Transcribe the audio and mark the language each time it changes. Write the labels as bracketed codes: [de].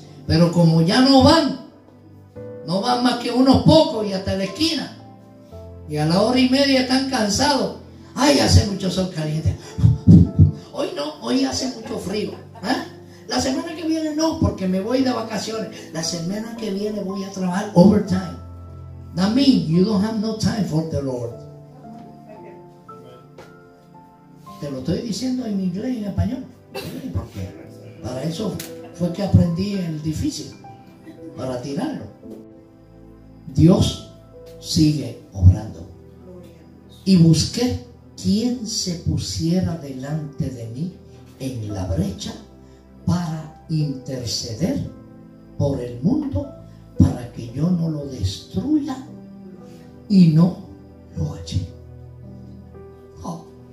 [es] Pero como ya no van más que unos pocos y hasta la esquina, y a la hora y media están cansados. Ay, hace mucho sol caliente. Hoy no, hoy hace mucho frío. La semana que viene no, porque me voy de vacaciones. La semana que viene voy a trabajar overtime. [en] That means you don't have no time for the Lord. [es] Te lo estoy diciendo en inglés y en español. ¿Por qué? Para eso fue que aprendí el difícil, para tirarlo. Dios sigue obrando. Y busqué quien se pusiera delante de mí en la brecha para interceder por el mundo, para que yo no lo destruya y no lo eche. Oh.